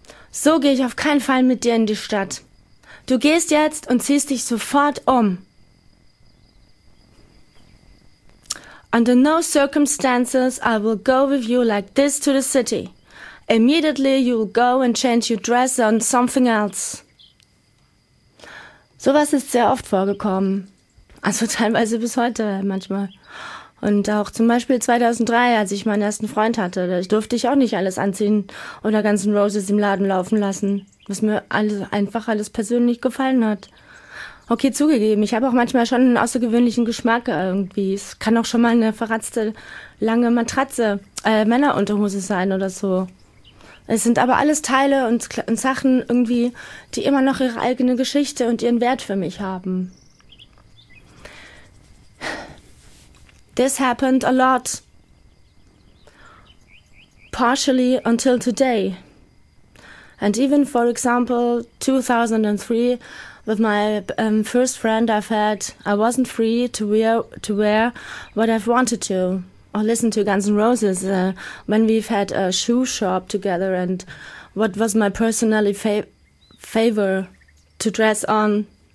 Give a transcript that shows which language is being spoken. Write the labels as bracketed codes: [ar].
[de] So gehe ich auf keinen Fall mit dir in die Stadt. Du gehst jetzt und ziehst dich sofort um. [en] Under no circumstances I will go with you like this to the city. Immediately you will go and change your dress on something else. [de] Sowas ist sehr oft vorgekommen. Also teilweise bis heute manchmal. Und auch zum Beispiel 2003, als ich meinen ersten Freund hatte, da durfte ich auch nicht alles anziehen oder ganzen Roses im Laden laufen lassen, was mir alles einfach alles persönlich gefallen hat. Okay, zugegeben, ich habe auch manchmal schon einen außergewöhnlichen Geschmack irgendwie. Es kann auch schon mal eine verratzte, lange Matratze, Männerunterhose sein oder so. Es sind aber alles Teile und Sachen irgendwie, die immer noch ihre eigene Geschichte und ihren Wert für mich haben. [en] This happened a lot, partially until today, and even for example 2003 with my first friend I've had, I wasn't free to wear what I've wanted to, or listen to Guns N' Roses when we've had a shoe shop together and what was my personally favor to dress on.